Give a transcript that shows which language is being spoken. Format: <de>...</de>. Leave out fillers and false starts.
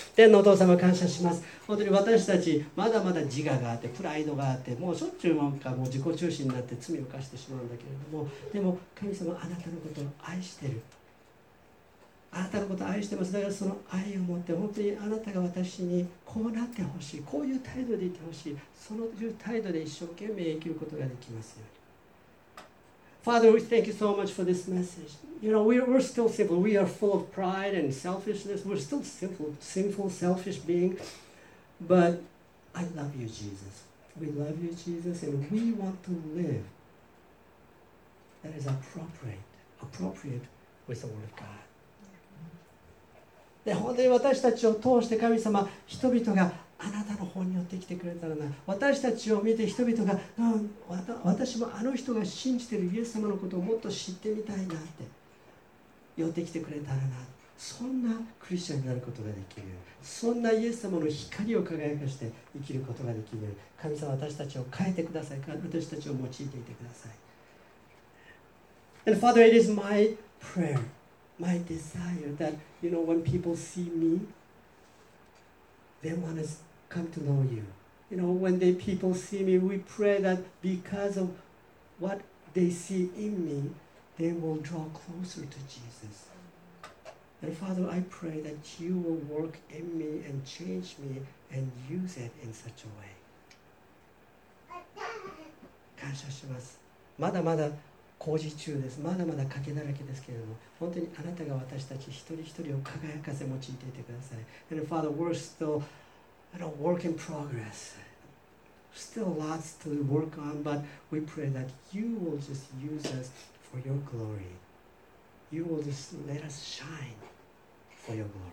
<ja>天のお父様、感謝します。本当に私たち、まだまだ自我があって、プライドがあって、もうしょっちゅうなんかもう自己中心になって罪を犯してしまうんだけれども、でも神様、あなたのことを愛してる。あなたのことを愛してます。だからその愛を持って、本当にあなたが私にこうなってほしい、こういう態度でいてほしい、そのいう態度で一生懸命生きることができますように。</ja> <en>Father, we thank you so much for this message. You know, we're still simple. We are full of pride and selfishness. We're still simple, sinful, selfish beings. But I love you, Jesus. We love you, Jesus, and we want to live that is appropriate with the Word of God.</en> <ja>で、本当に私たちを通して神様、人々があなたの方によって来てくれたらな、私たちを見て人々が、私もあの人が信じているイエス様のことをもっと知ってみたいなって寄ってきてくれたらな、そんなクリスチャンになることができる、そんなイエス様の光を輝かして生きることができる、神様私たちを変えてください、私たちを用いていてください。</ja> <en>And Father, it is my prayer, my desire that you know when people see meThey want to come to know you. You know, when the people see me, we pray that because of what they see in me, they will draw closer to Jesus. And Father, I pray that you will work in me and change me and use it in such a way.</en> <ja>感謝します。まだまだ工事中です。まだまだ欠けだらけですけれども、本当にあなたが私たち一人一人を輝かせ用いていてください。</ja> <en>And Father, we're stillA work in progress. Still lots to work on, but we pray that you will just use us for your glory. You will just let us shine for your glory.</en>